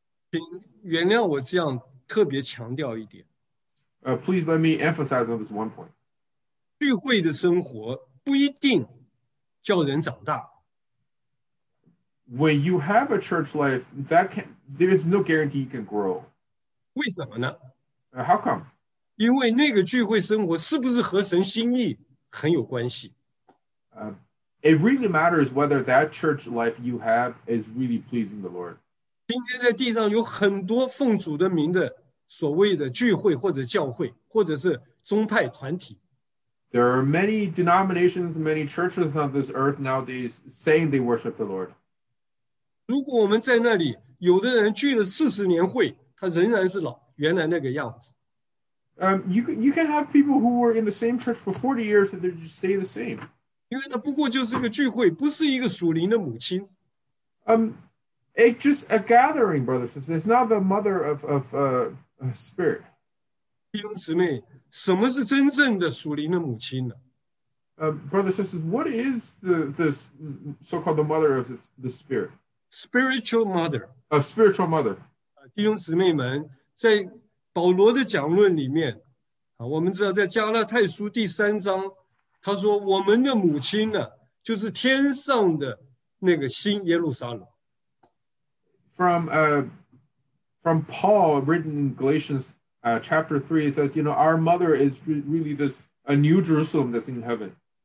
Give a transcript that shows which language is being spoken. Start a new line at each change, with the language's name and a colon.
Chinese: 请原谅我这样特别强调一点。
English: Please let me emphasize on this one point.
Chinese: 聚会的生活不一定叫人长大。
English: When you have a church life, that can, there is no guarantee you can grow.
Chinese: 为什么呢？
English: How come?
Chinese: 因为那个聚会生活是不是和神心意很有关系。
English: It really matters whether that church life you have is really pleasing the Lord.
Chinese: 今天在地上有很多奉主的名的所谓的聚会或者教会或者是宗派团体。
English: There are many denominations, many churches on this earth nowadays saying they worship the Lord.
Chinese: 如果我们在那里，有的人聚了40年会，他仍然是老原来那个样子。
English: You can have people who were in the same church for 40 years and they just stay the same.
Chinese: 因为那不过就是一个聚会, 不是一个属灵的母亲。
English: It's just a gathering, brothers and sisters. It's not the mother of a spirit.
Chinese: 弟兄姊妹, 什么是真正的属灵的母亲呢?
English: Brothers and sisters, what is this so-called the mother of the spirit? Spiritual mother. A spiritual mother.
Chinese: 弟兄姊妹们,在保罗的讲论里面, 我们知道在加拉太书第三章, 他说我们的母亲呢,就是天上的那个新耶路撒冷。
English: From Paul, written in Galatians chapter 3, it says, you know, our mother is really this a new Jerusalem that's in heaven.